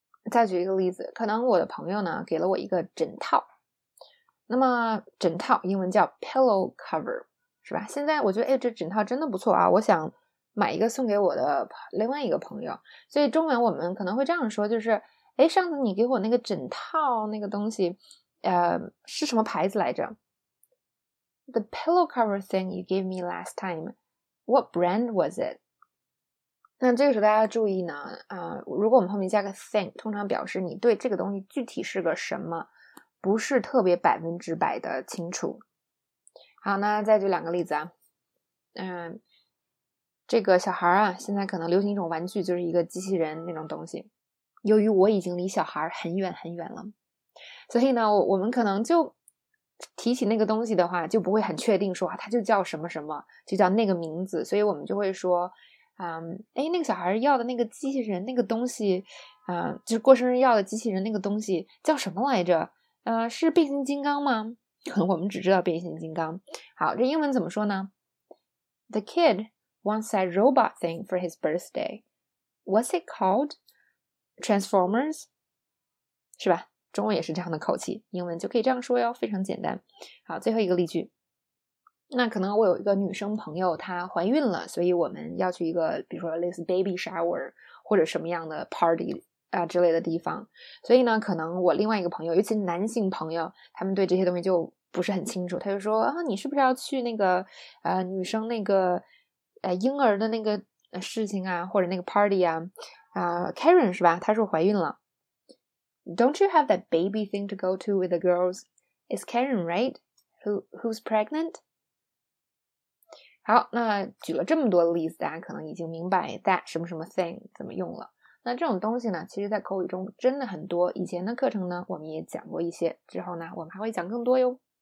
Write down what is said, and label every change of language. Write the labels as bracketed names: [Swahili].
[Chinese] 再举一个例子，可能我的朋友呢给了我一个枕套，那么枕套英文叫 pillow cover， 是吧？现在我觉得，诶，这枕套真的不错啊，我想买一个送给我的另外一个朋友。所以中文我们可能会这样说，就是，诶，上次你给我那个枕套那个东西是什么牌子来着？ [English] The pillow cover thing you gave me last time, what brand was it? [Chinese] 那这个时候大家注意呢，如果我们后面加个 thing， 通常表示你对这个东西具体是个什么，不是特别百分之百的清楚。好，那再举两个例子啊，这个小孩啊，现在可能流行一种玩具，就是一个机器人那种东西。由于我已经离小孩很远很远了，所以呢，我们可能就提起那个东西的话就不会很确定说啊，它就叫什么什么，就叫那个名字，所以我们就会说那个小孩要的那个机器人那个东西就是过生日要的机器人那个东西叫什么来着，是变形金刚吗？可能我们只知道变形金刚。好，这英文怎么说呢？ [English] The kid wants that robot thing for his birthday. What's it called? Transformers? [Chinese] 是吧？中文也是这样的口气，英文就可以这样说哟，非常简单。好，最后一个例句。那可能我有一个女生朋友，她怀孕了，所以我们要去一个比如说类似 baby shower 或者什么样的 party 啊之类的地方。所以呢可能我另外一个朋友，尤其男性朋友，他们对这些东西就不是很清楚。他就说啊，你是不是要去那个女生那个婴儿的那个事情啊，或者那个 party 啊，Karen 是吧，她说怀孕了。 [English] Don't you have that baby thing to go to with the girls? It's Karen, right? Who's pregnant? [Chinese] 好，那举了这么多例子，大家可能已经明白 that 什么什么 thing 怎么用了。那这种东西呢，其实在口语中真的很多。以前的课程呢，我们也讲过一些，之后呢，我们还会讲更多哟。